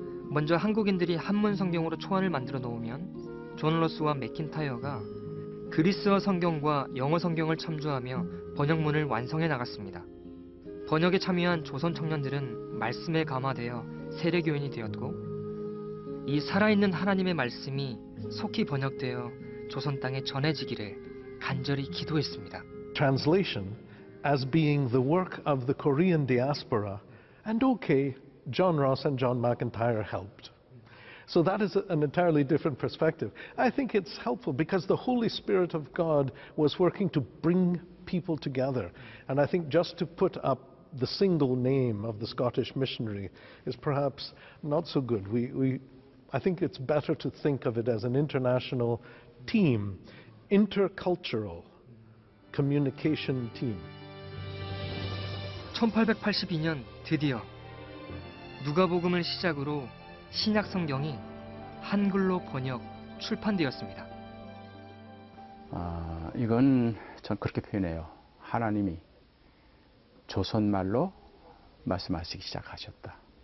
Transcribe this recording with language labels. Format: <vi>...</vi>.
<ko>먼저 한국인들이 한문 성경으로 초안을 만들어 놓으면 존 로스와 맥킨타이어가 그리스어 성경과 영어 성경을 참조하며 번역문을 완성해 나갔습니다. 번역에 참여한 조선 청년들은 말씀에 감화되어 세례교인이 되었고, 이 살아있는 하나님의 말씀이 속히 번역되어 조선 땅에 전해지기를 간절히 기도했습니다.</ko> <en>Translation as being the work of the Korean diaspora, and okay, John Ross and John McIntyre helped. So that is an entirely different perspective. I think it's helpful because the Holy Spirit of God was working to bring people together. And I think just to put up the single name of the Scottish missionary is perhaps not so good. I think it's better to think of it as an international team, intercultural communication team.</en> <ko>1882년 드디어 누가복음을 시작으로 신약 성경이 한글로 번역 출판되었습니다. 아, 이건 전 그렇게 표현해요. 하나님이 조선말로 말씀하시기 시작하셨다.</ko>